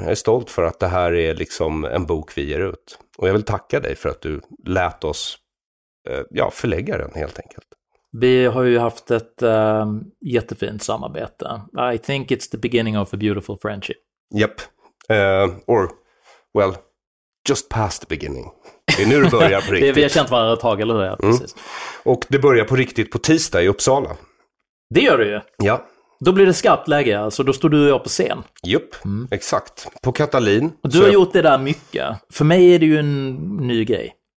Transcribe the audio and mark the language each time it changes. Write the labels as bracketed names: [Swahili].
[Swedish] Jag är stolt för att det här är liksom en bok vi ger ut. Och jag vill tacka dig för att du lät oss förlägga den, helt enkelt. Vi har ju haft ett jättefint samarbete. [English] I think it's the beginning of a beautiful friendship. Yep. Or, well, just past the beginning. [Swedish] Det är nu det börjar på riktigt. Vi har känt varandra ett tag, eller hur? Ja, precis. Och det börjar på riktigt på tisdag i Uppsala. Det gör det ju. Ja. Då blir det skarpt läge, alltså. Då står du och jag på scen. Jupp, exakt. På Katalin. Och du har gjort det där mycket. För mig är det ju en ny grej.